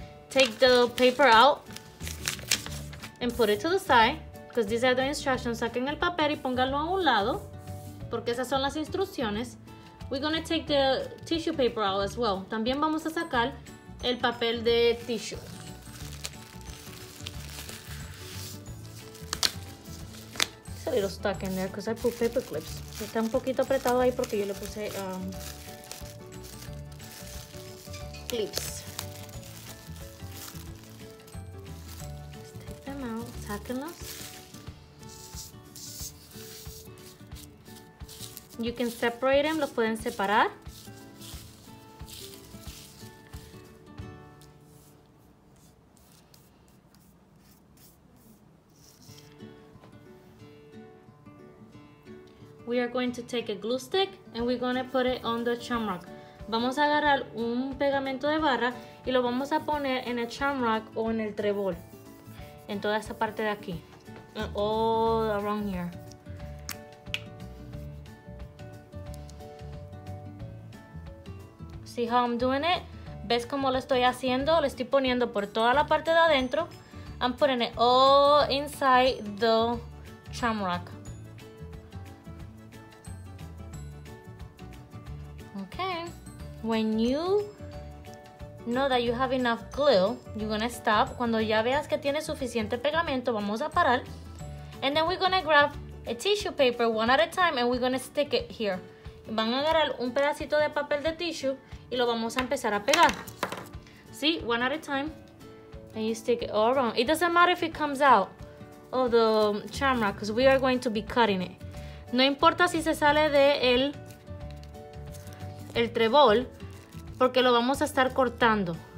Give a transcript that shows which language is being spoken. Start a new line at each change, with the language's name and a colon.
English: Take the paper out and put it to the side, because these are the instructions.
Spanish: Saquen el papel y pónganlo a un lado, porque esas son las instrucciones.
English: We're going to take the tissue paper out as well.
Spanish: También vamos a sacar el papel de tissue.
English: It's a little stuck in there because I put paper clips.
Spanish: Está un poquito apretado ahí porque yo le puse clips.
English: Let's take them out,
Spanish: sáquenlos.
English: You can separate them,
Spanish: los pueden separar.
English: We are going to take a glue stick and we're going to put it on the shamrock.
Spanish: Vamos a agarrar un pegamento de barra y lo vamos a poner en el shamrock o en el trébol. En toda esta parte de aquí.
English: All around here. See how I'm doing it?
Spanish: ¿Ves cómo lo estoy haciendo? Lo estoy poniendo por toda la parte de adentro.
English: I'm putting it all inside the shamrock. Okay. When you know that you have enough glue, you're gonna stop.
Spanish: Cuando ya veas que tienes suficiente pegamento, vamos a parar.
English: And then we're gonna grab a tissue paper one at a time and we're gonna stick it here.
Spanish: Van a agarrar un pedacito de papel de tissue y lo vamos a empezar a pegar.
English: See, one at a time. And you stick it all around. It doesn't matter if it comes out of the shamrock because we are going to be cutting it.
Spanish: No importa si se sale de el trébol porque lo vamos a estar cortando.